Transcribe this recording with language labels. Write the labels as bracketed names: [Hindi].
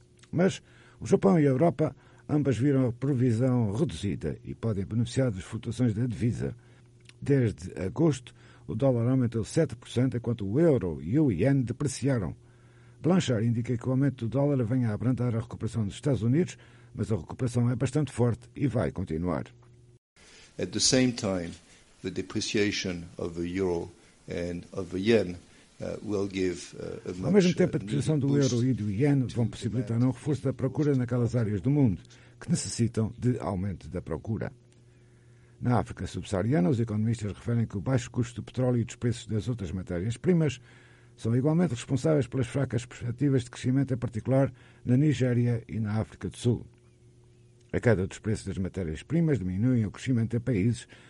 [Portuguese] Mas o Japão e a Europa ambas viram a previsão reduzida e podem beneficiar das flutuações da divisa. Desde agosto, o dólar aumentou 7%, enquanto o euro e o ien depreciaram. Blanchard indica que o aumento do dólar vem a abrandar a recuperação dos Estados Unidos, mas a recuperação é bastante forte e vai continuar. [English] At the same time, the depreciation of the euro and of the yen will give a much [Portuguese] ao mesmo tempo, a depreciação do euro e do ien vão possibilitar um reforço da procura naquelas áreas do mundo que necessitam de aumento da procura. Na África subsaariana, os economistas referem que o baixo custo do petróleo e dos preços das outras matérias-primas são igualmente responsáveis pelas fracas perspectivas de crescimento, em particular na Nigéria e na África do Sul. A queda dos preços das matérias-primas diminui o crescimento em países